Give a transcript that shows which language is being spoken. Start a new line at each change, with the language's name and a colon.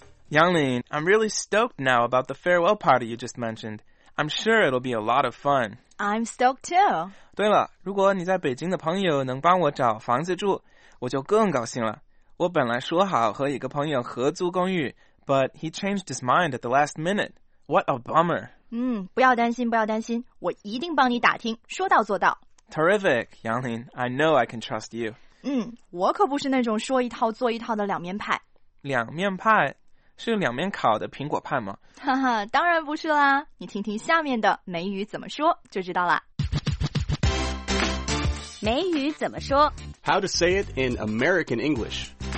English: Yanglin, I'm really stoked now about the farewell party you just mentioned. I'm sure it'll be a lot of fun. I'm stoked too.
Chinese: 对了，如果你在北京的朋友能帮我找房子住，我就更高兴了。我本来说好和一个朋友合租公寓，
English: but he changed his mind at the last minute. What a bummer.
Chinese: 不要担心，不要担心，我一定帮你打听，说到做到。
English: Terrific, Yanglin, I know I can trust you.
Chinese: 我可不是那种说一套做一套的两面派。两面派？是两面烤的苹果派吗？哈哈，当然不是啦！你听听下面的美语怎么说就知道啦。美语怎么说
English: ？How to say it in American English?